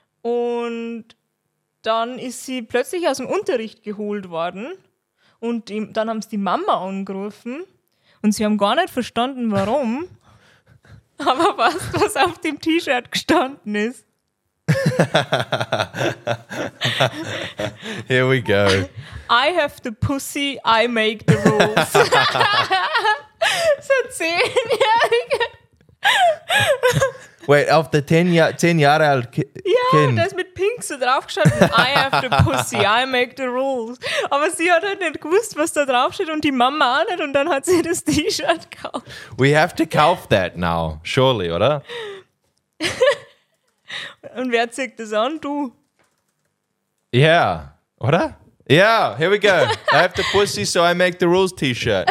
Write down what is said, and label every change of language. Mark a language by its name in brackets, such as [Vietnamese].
[German] Und dann ist sie plötzlich aus dem Unterricht geholt worden. Und dann haben sie die Mama angerufen. Und sie haben gar nicht verstanden, warum. Aber weißt du, was auf dem T-Shirt gestanden ist? [English] Here we go. I have the pussy, I make the rules. [German] So 10-Jährige. [English] Wait, [German] auf der 10 Jahre alt Kind. Ja, der ist mit Pink so draufgeschaut. [English] I have the pussy, I make the rules. [German] Aber sie hat halt nicht gewusst, was da draufsteht und die Mama auch nicht. Und dann hat sie das T-Shirt gekauft. [English] We have to [German] kauf [English] that now, surely, oder? [German] Und wer zieht das an? Du. [English] Yeah. Oder? Yeah, here we go. I have the pussy, so I make the rules t-shirt.